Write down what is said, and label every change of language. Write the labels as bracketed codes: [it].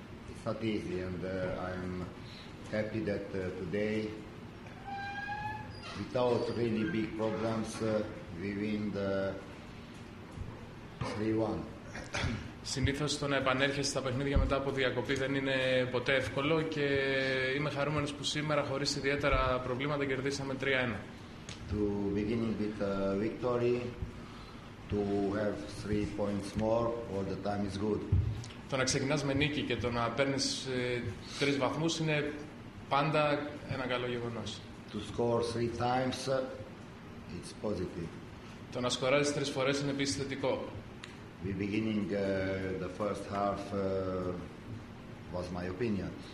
[en] It's not easy, and I'm happy that today, without really big problems, we win the 3-1. [el] Συνήθως το να επανέρχεσαι στα παιχνίδια μετά από διακοπή δεν είναι ποτέ εύκολο και είμαι χαρούμενος που σήμερα χωρίς ιδιαίτερα προβλήματα κερδίσαμε 3-1. [en] To begin with a victory, to have 3 points more, all the time is good. [el] Το να ξεκινάς με νίκη και το να παίρνεις 3 βαθμούς είναι πάντα ένα καλό γεγονός. [en] To score 3 times, it's positive. [el] Το να σκοράρεις 3 φορές είναι επίσης θετικό. [en] The beginning the first half was my opinion.